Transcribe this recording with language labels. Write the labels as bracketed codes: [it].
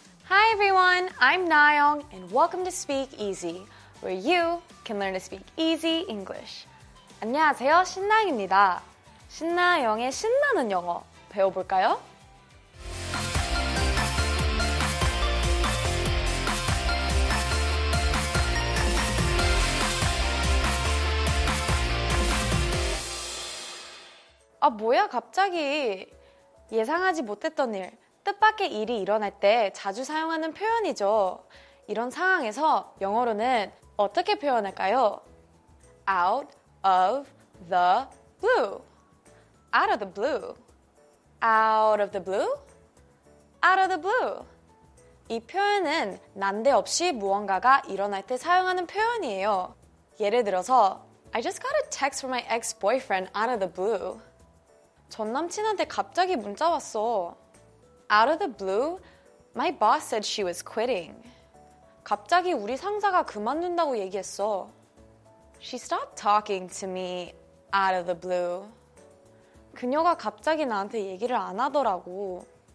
[en] Hi everyone, I'm Nayeong and welcome to Speak Easy, where you can learn to speak easy English. [ko] 안녕하세요, 신나영입니다. 신나영의 신나는 영어 배워볼까요? 아, 뭐야 갑자기? 예상하지 못했던 일, 뜻밖의 일이 일어날 때 자주 사용하는 표현이죠. 이런 상황에서 영어로는 어떻게 표현할까요? [en] Out of the blue. Out of the blue. Out of the blue. Out of the blue. [ko] 이 표현은 난데없이 무언가가 일어날 때 사용하는 표현이에요. 예를 들어서 [en] I just got a text from my ex-boyfriend out of the blue. [ko] 전 남친한테 갑자기 문자 왔어. [en] Out of the blue, my boss said she was quitting. [ko] 갑자기 우리 상사가 그만둔다고 얘기했어. [en] She stopped talking to me out of the blue. [ko] 그녀가 갑자기 나한테 얘기를 안 하더라고.